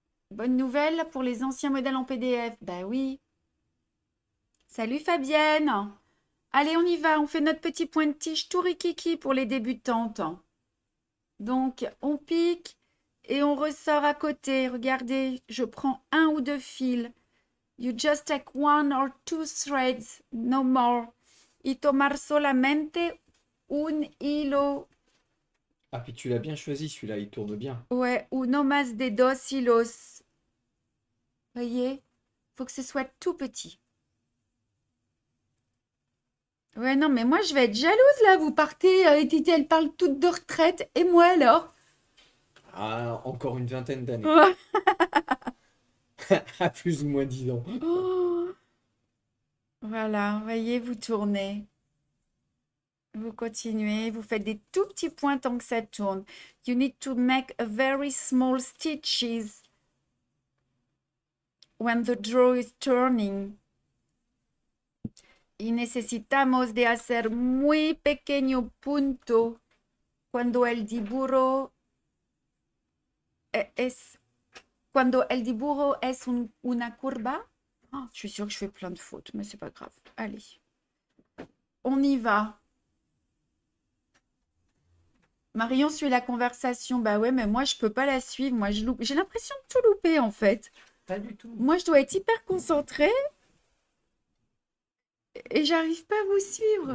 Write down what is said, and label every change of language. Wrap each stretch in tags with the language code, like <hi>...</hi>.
<fr>Bonne nouvelle pour les anciens modèles en PDF. Ben oui. Salut Fabienne. Allez, on y va, on fait notre petit point de tige tout riquiqui pour les débutantes. Donc, on pique et on ressort à côté. Regardez, je prends un ou deux fils.</fr> <en>You just take one or two threads, no more.</en> <es>Y tomar solamente un hilo.</es> <fr>Ah, puis tu l'as bien choisi, celui-là, il tourne bien. Ouais, ou</fr> <es>no más de dos hilos.</es> <fr>Voyez, faut que ce soit tout petit. Ouais, non, mais moi, je vais être jalouse, là. Vous partez, et Titi, elle parle toute de retraite. Et moi, alors? Ah, encore une vingtaine d'années. Oh. À plus ou moins 10 ans. Voilà, voyez, vous tournez. Vous continuez, vous faites des tout petits points tant que ça tourne.</fr> <en>You need to make a very small stitches when the draw is turning.</en> <es>Necesitamos de hacer muy pequeño punto cuando el dibujo es una curva.</es> <fr>Oh, je suis sûre que je fais plein de fautes, mais c'est pas grave. Allez, on y va. Marion suit la conversation. Bah ouais, mais moi je peux pas la suivre. Moi je loupe. J'ai l'impression de tout louper en fait. Pas du tout. Moi je dois être hyper concentrée et j'arrive pas à vous suivre.</fr>